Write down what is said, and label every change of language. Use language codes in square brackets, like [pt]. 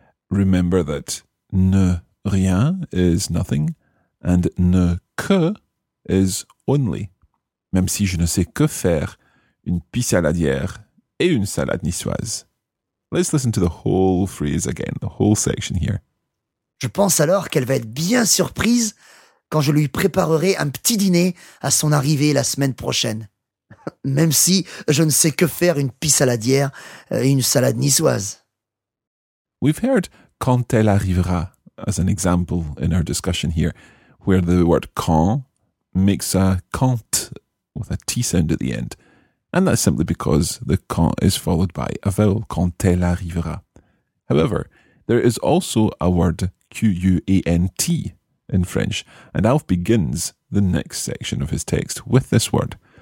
[en] Remember that ne rien is nothing and ne que is only. [fr] Même si je ne sais que faire une pie saladière et une salade niçoise. [en] Let's listen to the whole phrase again, the whole section here. [fr] Je pense alors qu'elle va être bien surprise quand je lui préparerai un petit dîner à son arrivée la semaine prochaine. Même si je ne sais que faire une pie saladière et une salade niçoise. [en] We've heard [fr] quand elle arrivera [en] as an example in our discussion here, where the word quand makes a quand with a T sound at the end. And that's simply because the quand is followed by a vowel, [fr] quand elle arrivera. [en] However, there is also a word Q-U-A-N-T in French, and Alf begins the next section of his text with this word.